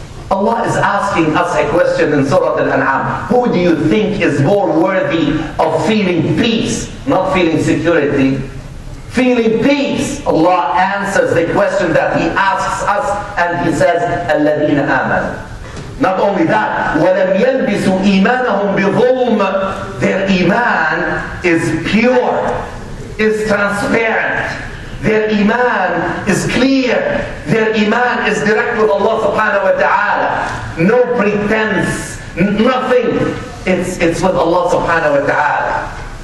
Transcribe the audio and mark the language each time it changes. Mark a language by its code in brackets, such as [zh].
[en] Allah is asking us a question in Surah Al-An'am. Who do you think is more worthy of feeling peace, not feeling security? Feeling peace. Allah answers the question that He asks us, and He says, [ar] "Alladheena aman." [en] Not only that, [ar] وَلَمْ يَلْبِسُوا إِيمَانَهُمْ بِظُلْمٍ. [en] Their iman is pure, is transparent. Their iman is clear. Their iman is direct with Allah subhanahu wa ta'ala. No pretense, nothing. It's with Allah subhanahu wa ta'ala.